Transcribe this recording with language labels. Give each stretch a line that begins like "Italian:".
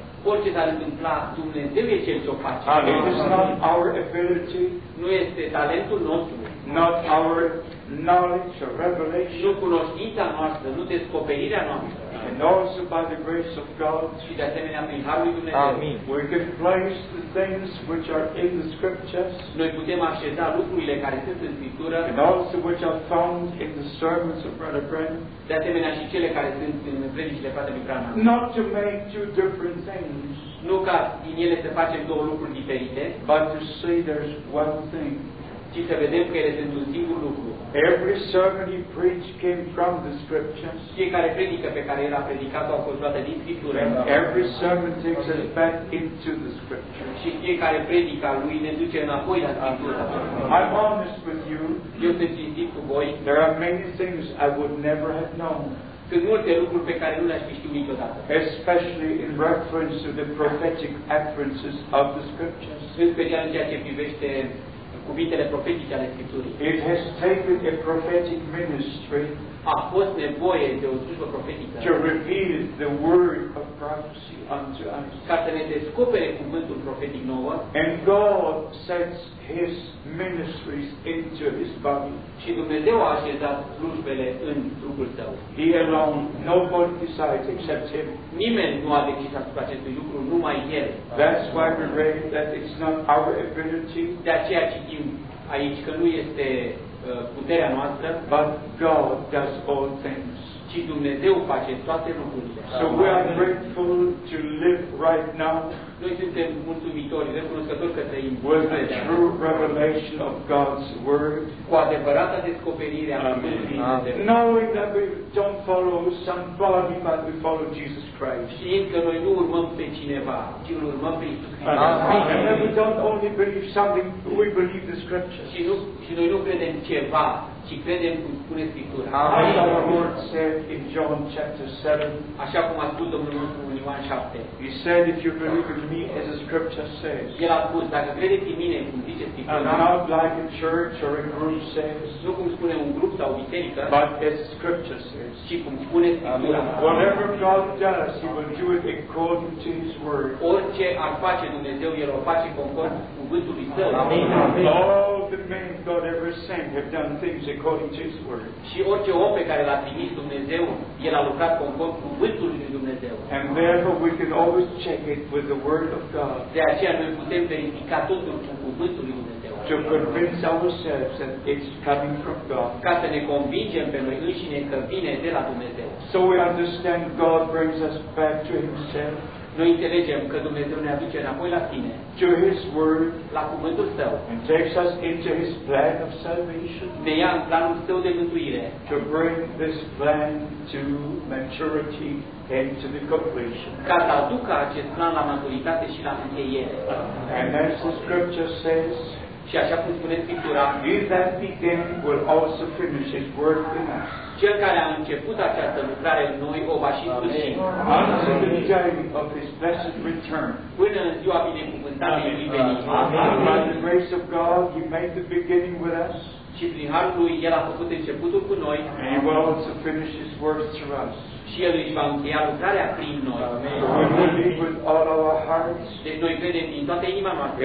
Romanian: Orice s-ar întâmpla, Dumnezeu e cel ce o face.
English: It is not our ability.
Romanian: Nu este talentul nostru.
English: not our knowledge or revelation,
Romanian: nu cunoștința noastră, nu descoperirea noastră,
English: and also by the grace of God,
Romanian: și de asemenea prin harul lui Dumnezeu, amin.
English: We can place the things which are in the scriptures,
Romanian: noi putem așeza lucrurile care sunt în Scriptură,
English: and also which are found in the sermons of Brother Branham,
Romanian: de asemenea și cele care sunt în predicile fratelui Branham,
English: not to make two different things,
Romanian: nu ca din ele să facem două lucruri diferite,
English: but to say there's one thing,
Romanian: ci să vedem că ele sunt un singur lucru.
English: Every sermon he preached came from the scriptures.
Romanian: Fiecare predică pe care el a predicat-o a fost luată din Scriptură.
English: And every sermon takes us back into the scriptures.
Romanian: Și fiecare predică a lui ne duce înapoi la Scriptură.
English: I'm honest with you.
Romanian: Eu sunt sincer cu voi.
English: There are many things I would never have known.
Romanian: Sunt multe lucruri pe care nu le-aș fi știut niciodată.
English: Especially in reference to the prophetic utterances of the scriptures.
Romanian: În special în ceea ce privește cuvintele profetice ale Scripturii.
English: It has taken a prophetic ministry,
Romanian: a fost nevoie de o slujbă profetică,
English: to reveal the word of prophecy unto us,
Romanian: ca să ne descopere cuvântul profetic nouă,
English: and God sets his ministries into his body,
Romanian: și Dumnezeu a așezat slujbele în trupul său.
English: He alone, nobody decides except him,
Romanian: nimeni nu a decis asupra acestui lucru, numai el.
English: That's why we read that it's not our ability,
Romanian: de aceea citim aici că nu este puterea noastră,
English: but God does all things,
Romanian: ci Dumnezeu face toate lucrurile.
English: So we are grateful to live right now,
Romanian: noi suntem mulțumitori, recunoscători că trăim,
English: with the true revelation of God's word,
Romanian: cu adevărata descoperire a Cuvântului.
English: Knowing that we don't follow somebody, but we follow Jesus Christ.
Romanian: Știind că noi nu urmăm pe cineva, ci îl urmăm pe Iisus Hristos.
English: And we don't only believe something, we believe the scriptures.
Romanian: Și noi nu credem ceva, ci credem cum spune Scriptura.
English: Amen. As our Lord said in John chapter 7,
Romanian: așa cum a spus Domnul nostru în Ioan 7,
English: he said, if you believe in me, as the scripture says,
Romanian: el a spus, dacă credeți în mine, cum zice Scriptura,
English: and not like a church or a group says,
Romanian: nu cum spune un grup sau o biserică,
English: but as the scripture says,
Romanian: ci cum spune Scriptura.
English: Whatever God does, he will do it according to his word.
Romanian: Orice ar face Dumnezeu, el o face conform cuvântului său.
English: Amen. All the men God ever sent have done things according to his word.
Romanian: Și orice om pe care l-a trimis Dumnezeu, el a lucrat conform cuvântului lui Dumnezeu.
English: And therefore we can always check it with the word of God.
Romanian: De aceea noi putem verifica totul cu cuvântul lui Dumnezeu.
English: To convince ourselves that it's coming from God.
Romanian: Ca să ne convingem pe noi înșine că vine de la Dumnezeu.
English: So we understand God brings us back to himself.
Romanian: Noi înțelegem că Dumnezeu ne aduce înapoi la sine,
English: to his word,
Romanian: la cuvântul său,
English: and takes us into his plan of salvation,
Romanian: ne ia în planul său de mântuire,
English: to bring this plan to maturity and to the completion,
Romanian: ca să aducă acest plan la maturitate și la încheiere.
English: And as the scripture says,
Romanian: și așa cum spune Scriptura,
English: he that began will also finish his work in us.
Romanian: Cel care a început această lucrare în noi o va și sfârși.
English: Amen. Until the day of his blessed return.
Romanian: Până în ziua binecuvântată lui venit.
English: Amen. By the grace of God, he made the beginning with us.
Romanian: Și prin harul lui, el a făcut începutul cu noi.
English: And he will also finish his work through us.
Romanian: Și el își va încheia lucrarea prin noi.
English: Amen. We believe with all our hearts.
Romanian: Deci noi credem din toată inima noastră.